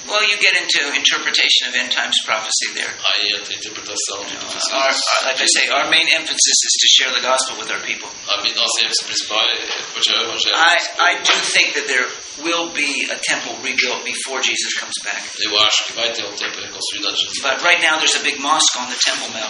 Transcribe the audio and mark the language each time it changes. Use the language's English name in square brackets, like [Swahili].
[English] Well, you get into interpretation of end times prophecy there. [Portuguese] Aí entra a interpretação de profecias. [English] Like I say, our main emphasis is to share the gospel with our people. [Portuguese] Nossa ênfase principal é compartilhar o evangelho. [English] I do think that there will be a temple rebuilt before Jesus comes back. [Portuguese] Eu acho que vai ter templo reconstruído antes de Jesus. [English] But right now there's a big mosque on the Temple Mount.